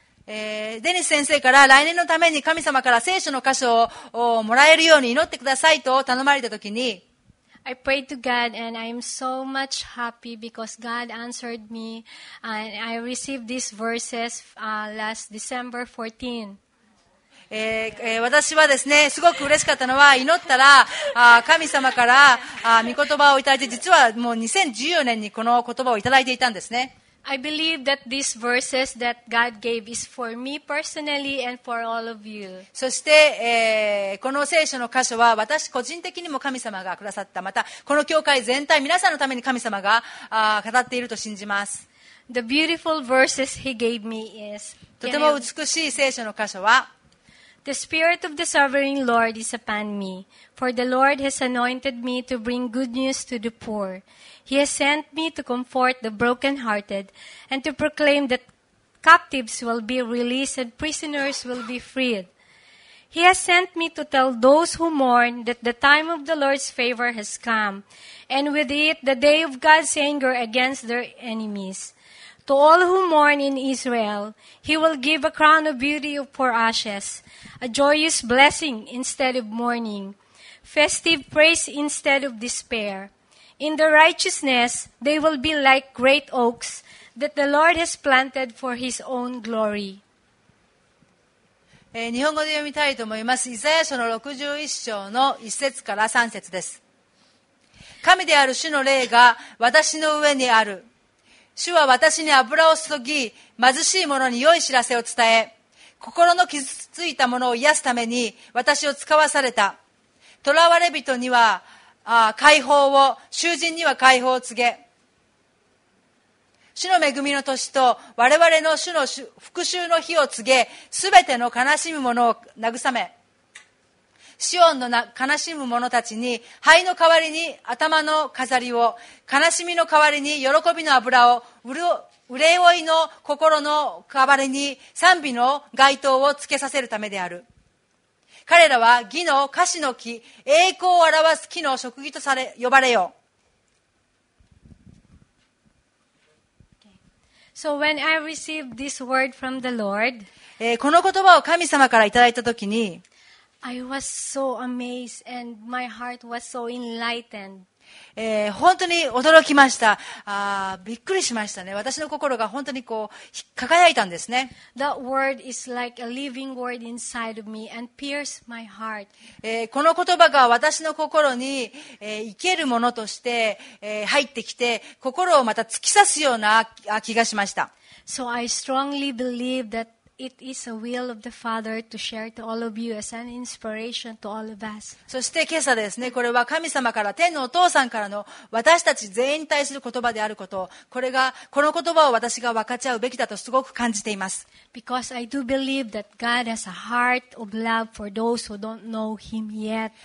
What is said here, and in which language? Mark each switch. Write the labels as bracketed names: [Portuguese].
[Japanese] デニス先生から来年のために神様から聖書の箇所をもらえるように祈ってくださいと頼まれたときに、 [English] I prayed to God and I am so much happy because God answered me and I received these verses last December 14th. [Japanese] 私はですね、すごく嬉しかったのは、祈ったら、神様から、御言葉をいただいて、実はもう2014年にこの言葉をいただいていたんですね。 [English] I believe that these verses that God gave is for me personally and for all of you. [Japanese] そして、この聖書の箇所は私個人的にも神様がくださった。また、この教会全体、皆さんのために神様が、語っていると信じます。 [English] The beautiful verses he gave me is, [Japanese] とても美しい聖書の箇所は、 [English] The Spirit of the Sovereign Lord is upon me, for the Lord has anointed me to bring good news to the poor. He has sent me to comfort the brokenhearted and to proclaim that captives will be released and prisoners will be freed. He has sent me to tell those who mourn that the time of the Lord's favor has come, and with it the day of God's anger against their enemies. To all who mourn in Israel, he will give a crown of beauty for ashes, a joyous blessing instead of mourning, festive praise instead of despair. In the righteousness, they will be like great oaks that the Lord has planted for his own glory. [Japanese] 日本語で読みたいと思います。イザヤ書の61章の1節から3節です。神である主の霊が私の上にある。主は私に油を注ぎ、貧しい者に良い知らせを伝え、心の傷ついた者を癒すために私を使わされた。囚われ人には解放を、囚人には解放を告げ、主の恵みの年と我々の主の復讐の日を告げ、すべての悲しむ者を慰め、シオンの悲しむ者たちに灰の代わりに頭の飾りを、悲しみの代わりに喜びの油を、憂い追いの心の代わりに賛美の街灯をつけさせるためである。彼らは義の樫の木、栄光を表す木の職技とされ呼ばれよう。 [English] So when I received this word from the Lord, [Japanese] この言葉を神様からいただいたときに、 [English] I was so amazed and my heart was so enlightened. [Japanese] 本当に驚きました。びっくりしましたね。私の心が本当にこう輝いたんですね。 [English] That word is like a living word inside of me and pierced my heart. [Japanese] この言葉が私の心に、生けるものとして、入ってきて、心をまた突き刺すような気がしました。 [English] So I strongly believe that It is a will of the Father to share to all of you as an inspiration to all of us. [Japanese] そして今朝ですね、これは神様から、天のお父さんからの私たち全員に対する言葉であること、これが、この言葉を私が分かち合うべきだとすごく感じています。 [English] Because I do believe that God has a heart of love for those who don't know Him yet.